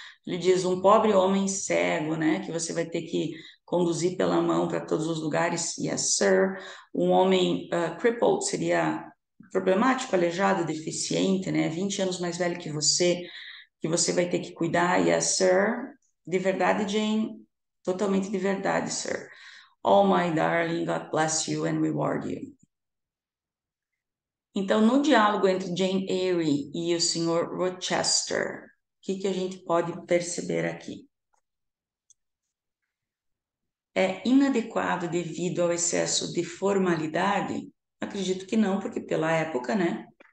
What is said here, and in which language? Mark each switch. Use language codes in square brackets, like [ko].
[pt] Ele diz um pobre homem cego, né, que você vai ter que conduzir pela mão para todos os lugares, [en] yes, Sir. [pt] Um homem crippled seria problemático, aleijado, deficiente, né? 20 anos mais velho que você. Que você vai ter que cuidar, [en] yes, sir. [pt] De verdade, Jane? Totalmente de verdade, sir. [en] Oh, my darling, God bless you and reward you. [pt] Então, no diálogo entre Jane Eyre e o senhor Rochester, o que que a gente pode perceber aqui? É inadequado devido ao excesso de formalidade? Acredito que não, porque pela época, né?